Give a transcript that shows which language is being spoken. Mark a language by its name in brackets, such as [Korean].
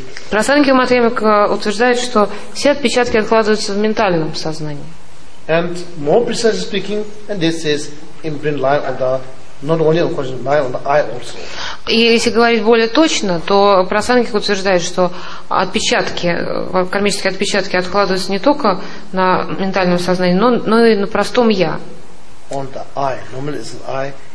[Russian] Прасанги Матемика утверждает, что все отпечатки откладываются в ментальном сознании. [English] And more precisely speaking, and this is imprint lie on the not only on conscious lie on the eye also. [Russian] И если говорить более точно, то Прасанги утверждает, что отпечатки, кармические отпечатки откладываются не только на ментальном сознании, но и на простом я. [English] On the eye, normally it's an eye.